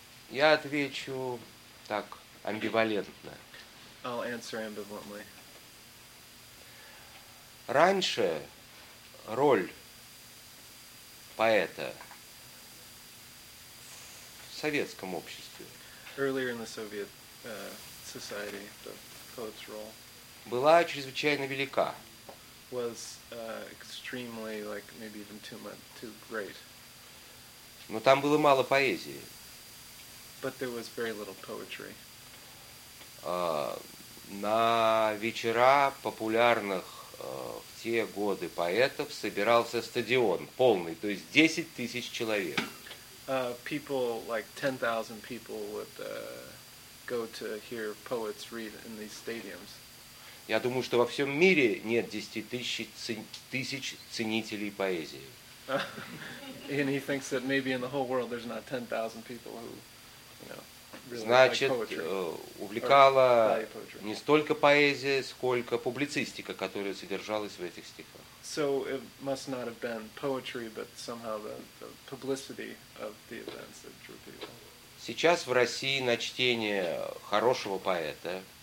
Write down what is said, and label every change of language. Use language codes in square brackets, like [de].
[ru] Я отвечу так, амбивалентно. [en] I'll answer ambivalently. [ru] Раньше роль поэта в советском обществе [en] earlier in the Soviet society, the poet's role [ru] была чрезвычайно велика. [en] Was extremely, like, maybe even too great. [ru] Но там было мало поэзии. [en] But there was very little poetry. [ru] На вечера популярных в те годы поэтов собирался стадион полный, то есть 10 тысяч человек. [en] People, like 10,000 people would go to hear poets read in these stadiums. [ru] Я думаю, что во всем мире нет 10 тысяч ценителей поэзии. [en] And he thinks that maybe in the whole world there's not 10,000 people who, you know, really. [ru] Значит, [en] like poetry, [ru] увлекала не столько поэзия, сколько публицистика, которая содержалась в этих стихах. [en] So it must not have been poetry, but somehow the publicity of the events that drew people. [ru] Сейчас в России на чтение хорошего поэта.